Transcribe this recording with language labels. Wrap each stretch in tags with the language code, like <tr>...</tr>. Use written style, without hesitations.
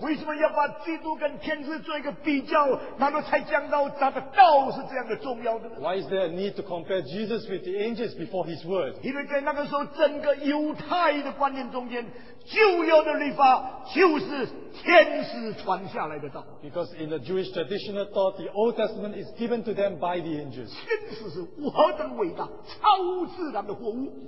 <zh>为什么要把基督跟天使做一个比较, 难道才讲到他的道是这样的重要的?</zh> <en>Why is there a need to compare Jesus with the angels before his word?</en> <zh>因为在那个时候整个犹太的观念中间, 旧约的律法就是天使传下来的道。</zh> <en>Because in the Jewish traditional thought, the Old Testament is given to them by the angels.</en> <zh>天使是何等伟大, 超自然的活物。</zh>